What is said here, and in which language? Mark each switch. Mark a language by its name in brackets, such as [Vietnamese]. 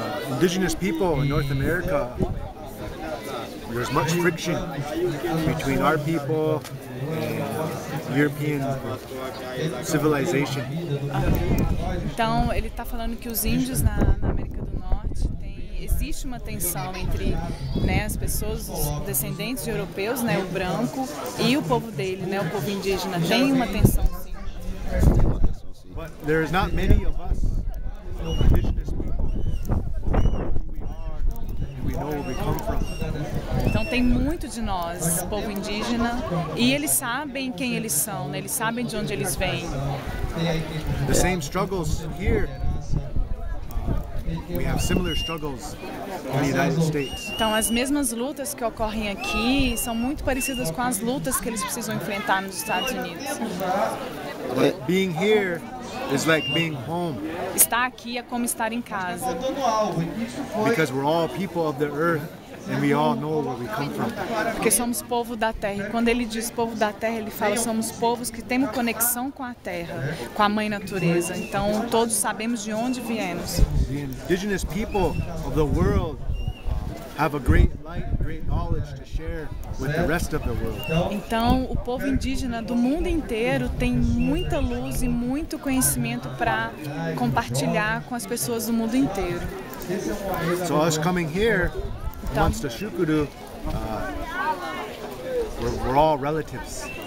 [English] Indigenous people in North America, there's much friction between our people and European civilization. [Portuguese] Então ele está falando que os índios na América do Norte existe uma tensão entre, né, as pessoas, os descendentes de europeus, né, o branco, e o povo dele, né, o povo indígena. Tem uma tensão, sim. [English] But there is not many of us, no indigenous people, who we are and we know where we come from. [Portuguese] Então tem muito de nós, povo indígena, e eles sabem quem eles são, né, eles sabem de onde eles vêm. [English] The same struggles here. We have similar struggles in the United States. [Portuguese] Então, as mesmas lutas que ocorrem aqui são muito parecidas com as lutas que eles precisam enfrentar nos Estados Unidos. [English] But being here is like being home. [Portuguese] Estar aqui é como estar em casa. [English] Because we're all people of the earth. And we all know where we come from. [Portuguese] Porque somos povo da terra. E quando ele diz povo da terra, ele fala somos povos que temos conexão com a terra, com a mãe natureza. Então todos sabemos de onde viemos. [English] The indigenous people of the world have a great light, great knowledge to share with the rest of the world. [Portuguese] Então o povo indígena do mundo inteiro tem muita luz e muito conhecimento para compartilhar com as pessoas do mundo inteiro. [English] So us coming here. Então, once the Xucuru, we're all relatives.